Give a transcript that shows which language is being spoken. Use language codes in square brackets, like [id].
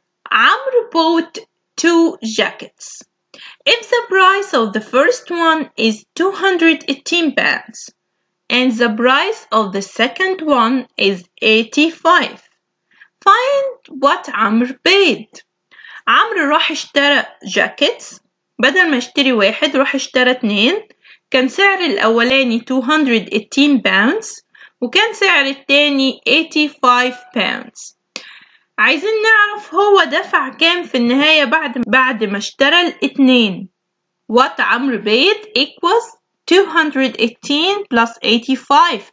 [en] عمرو bought two jackets. If the price of the first one is 218 pounds and the price of the second one is 85, find what عمرو paid. [ar] عمرو راح اشترى jackets، بدل ما اشتري واحد راح اشترى اتنين. كان سعر الاولاني 218 pounds وكان سعر التاني 85 pounds. عايزين نعرف هو دفع كام في النهاية بعد ما اشترى الاتنين. [en] What عمرو paid equals 218 plus 85.